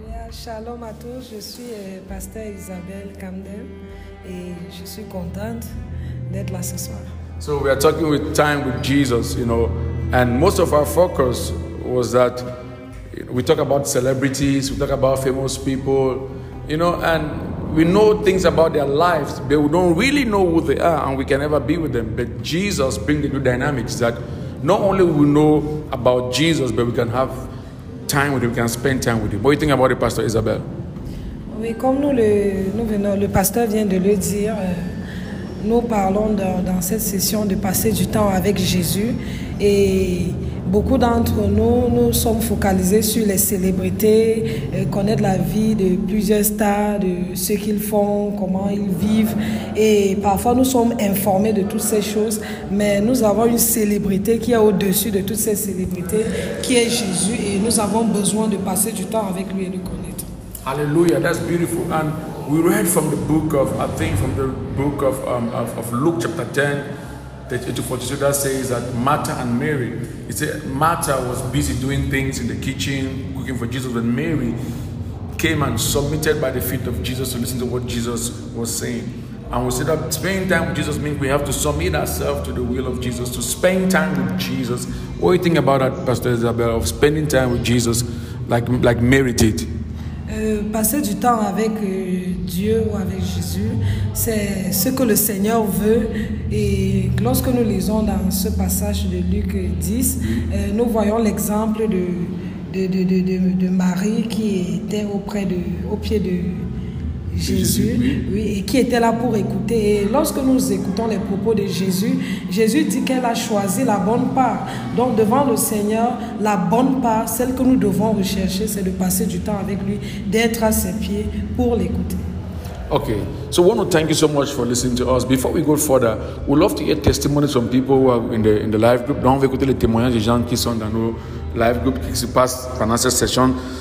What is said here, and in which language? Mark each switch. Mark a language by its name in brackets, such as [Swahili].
[French] Shalom à tous, je suis Pasteur Isabel Candem et je suis contente d'être là ce soir. [English] So we are talking with time with Jesus, you know, and most of our focus was that we talk about celebrities, we talk about famous people, you know, and we know things about their lives, but we don't really know who they are and we can never be with them. But Jesus brings the new dynamics that not only we know about Jesus, but we can have time with him, we can spend time with him. What do you think about it, Pastor Isabel? [French] Oui, comme le pasteur vient de le dire, nous parlons dans cette session de passer du temps avec Jésus. Et beaucoup d'entre nous, nous sommes focalisés sur les célébrités, connaître la vie de plusieurs stars, de ce qu'ils font, comment ils vivent. Et parfois, nous sommes informés de toutes ces choses. Mais nous avons une célébrité qui est au-dessus de toutes ces célébrités, qui est Jésus. Et nous avons besoin de passer du temps avec lui et le connaître. [English] Alléluia, that's beautiful. And we read from the book of, I think from the book of Luke chapter 10, 8-42, that says that Martha and Mary, it said Martha was busy doing things in the kitchen, cooking for Jesus, and Mary came and submitted by the feet of Jesus to listen to what Jesus was saying. And we said that spending time with Jesus means we have to submit ourselves to the will of Jesus, to spend time with Jesus. What do you think about that, Pastor Isabel, of spending time with Jesus like Mary did? [French] Passer du temps avec Dieu ou avec Jésus, c'est ce que le Seigneur veut. Et lorsque nous lisons dans ce passage de Luc 10, nous voyons l'exemple de Marie qui était au pied de Jésus, oui, et qui était là pour écouter. Et lorsque nous écoutons les propos de Jésus, Jésus dit qu'elle a choisi la bonne part. Donc devant le Seigneur, la bonne part, celle que nous devons rechercher, c'est de passer du temps avec lui, d'être à ses pieds pour l'écouter. [English] Okay, so I want to thank you so much for listening to us. Before we go further, we'd love to hear testimonies from people who are in the live group. [French] Donc on va écouter les témoignages des gens qui sont dans nos live group qui se passent pendant cette session.